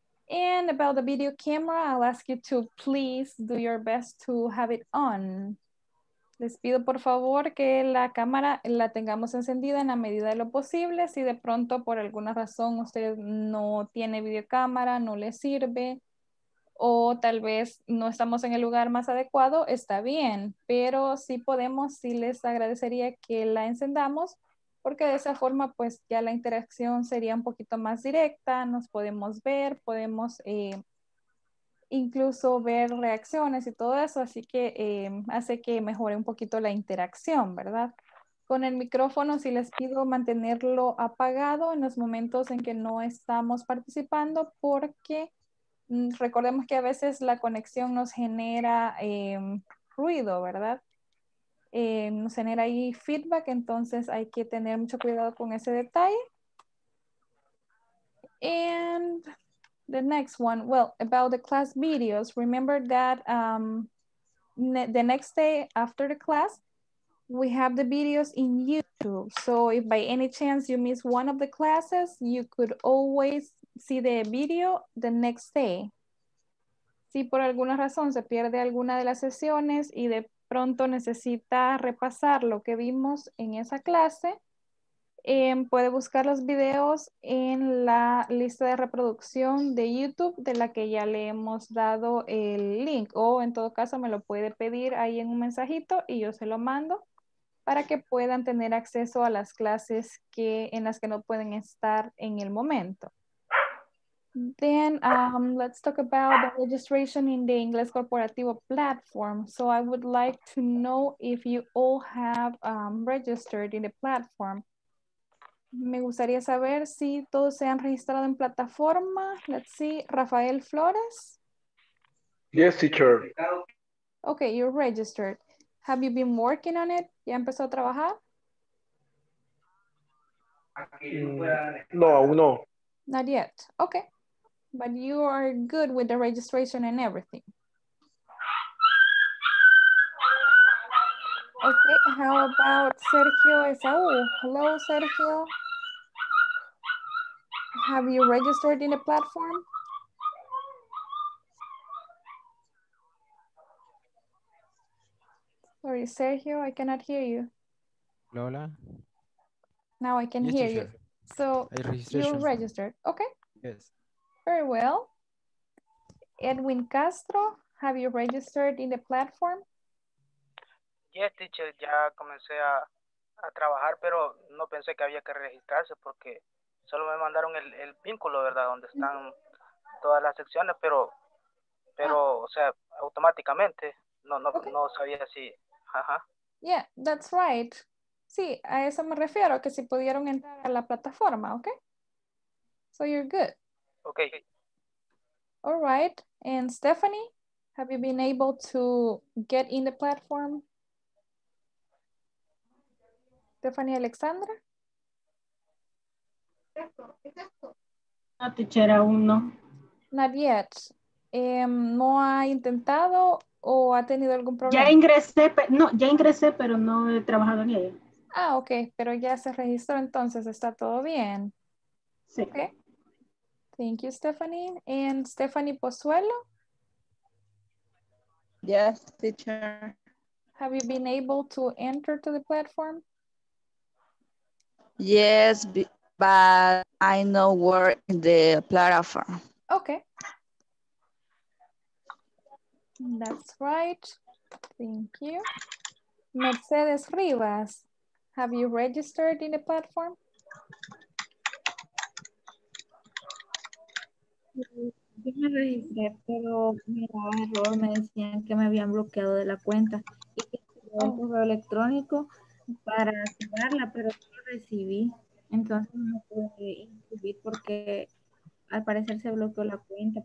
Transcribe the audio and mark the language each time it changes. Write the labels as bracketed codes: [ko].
[en] And about the video camera, I'll ask you to please do your best to have it on. [es] Les pido por favor que la cámara la tengamos encendida en la medida de lo posible. Si de pronto por alguna razón usted no tiene videocámara, no le sirve, o tal vez no estamos en el lugar más adecuado, está bien. Pero si podemos, sí les agradecería que la encendamos, porque de esa forma pues ya la interacción sería un poquito más directa, nos podemos ver, podemos incluso ver reacciones y todo eso, así que hace que mejore un poquito la interacción, ¿verdad? Con el micrófono sí les pido mantenerlo apagado en los momentos en que no estamos participando, porque recordemos que a veces la conexión nos genera ruido, ¿verdad? Tener ahí feedback, entonces hay que tener mucho cuidado con ese detalle. [en] And the next one, well, about the class videos, remember that the next day after the class, we have the videos in YouTube. So if by any chance you miss one of the classes, you could always see the video the next day. [es] Si por alguna razón se pierde alguna de las sesiones y de pronto necesita repasar lo que vimos en esa clase, Puede buscar los videos en la lista de reproducción de YouTube de la que ya le hemos dado el link. O en todo caso me lo puede pedir ahí en un mensajito y yo se lo mando para que puedan tener acceso a las clases que, en las que no pueden estar en el momento. [en] Then let's talk about the registration in the Inglés Corporativo platform. So I would like to know if you all have registered in the platform. [es] Me gustaría saber si todos se han registrado en plataforma. [en] Let's see, Rafael Flores. Yes, teacher. Okay, you're registered. Have you been working on it? [es] ¿Ya empezó a trabajar? No, aún no. [en] Not yet. Okay. But you are good with the registration and everything. Okay, how about Sergio Esau? Hello, Sergio. Have you registered in the platform? Sorry, Sergio, I cannot hear you. Lola? Now I can hear you. So you're registered. Okay. Yes. Very well. Edwin Castro, have you registered in the platform? Yes, teacher, [es] ya comencé a trabajar, pero no pensé que había que registrarse porque solo me mandaron el vínculo, ¿verdad? Donde están todas las secciones, pero, o sea, automáticamente, no sabía si, [en] Yeah, that's right. [es] Sí, a eso me refiero, que si pudieron entrar a la plataforma, okay? [en] So you're good. Okay. All right, and Stephanie, have you been able to get in the platform? Stephanie Alexandra? [es] No, teacher, aún no. [en] Not yet. [es] ¿No ha intentado o ha tenido algún problema? Ya ingresé, pero no he trabajado en ella. Ah, okay, pero ya se registró, entonces está todo bien. Sí. Okay. [en] Thank you, Stephanie. And Stephanie Pozuelo? Yes, teacher. Have you been able to enter to the platform? Yes, but I know where the platform. Okay. That's right. Thank you. Mercedes Rivas, have you registered in the platform? [es] Yo me registré, pero me daba error, me decían que me habían bloqueado de la cuenta. Y que tenía un correo electrónico para cerrarla, pero no lo recibí. Entonces no pude inscribir porque al parecer se bloqueó la cuenta.